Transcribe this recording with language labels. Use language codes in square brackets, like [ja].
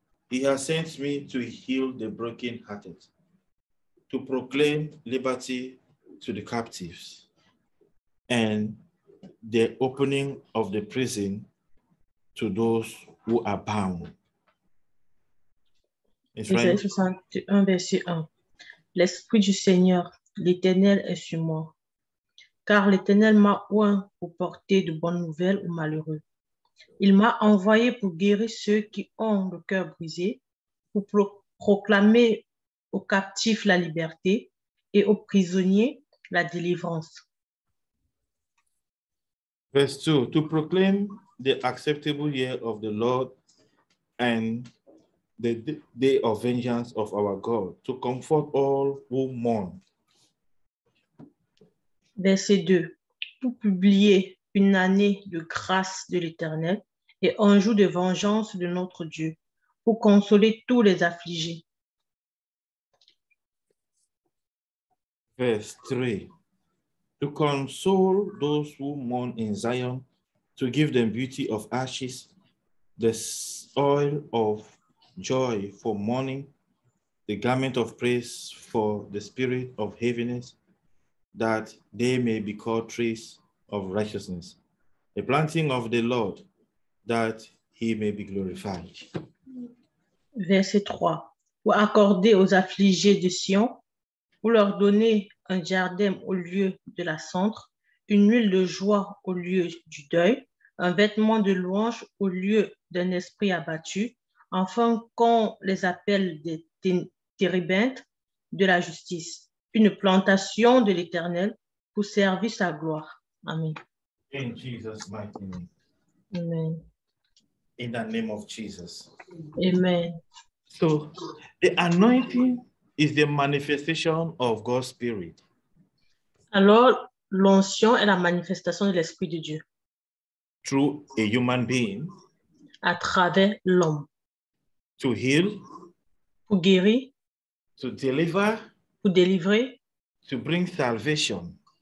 [en] He has sent me to heal the brokenhearted, to proclaim liberty to the captives and the opening of the prison to those who are bound. [fr] Isaïe 61, verset 1. L'Esprit du Seigneur, l'Éternel est sur moi, car l'Éternel m'a oint pour porter de bonnes nouvelles aux malheureux. Il m'a envoyé pour guérir ceux qui ont le cœur brisé, pour proclamer aux captifs la liberté et aux prisonniers la délivrance. [en] Verse 2, to proclaim the acceptable year of the Lord and the day of vengeance of our God, to comfort all who mourn. [fr] Verset 2, pour publier une année de grâce de l'Éternel et un jour de vengeance de notre Dieu, pour consoler tous les affligés. [en] Verse 3. To console those who mourn in Zion, to give them beauty of ashes, the oil of joy for mourning, the garment of praise for the spirit of heaviness, that they may be called trees of righteousness, the planting of the Lord, that he may be glorified. [fr] Verset 3. Pour accorder aux affligés de Sion, pour leur donner un diadème au lieu de la cendre, une huile de joie au lieu du deuil, un vêtement de louange au lieu d'un esprit abattu, enfin qu'on les appelle des térébintes de la justice, une plantation de l'Éternel pour servir sa gloire. Amen. [en] In Jesus' mighty name. Amen. In the name of Jesus. Amen. So, the anointing is the manifestation of God's Spirit. [fr] Alors, l'onction est la manifestation de l'Esprit de Dieu. [en] Through a human being. [fr] À travers l'homme. [en] To heal. [fr] Pour guérir. [en] To deliver. [fr] Pour délivrer. [en] To bring salvation.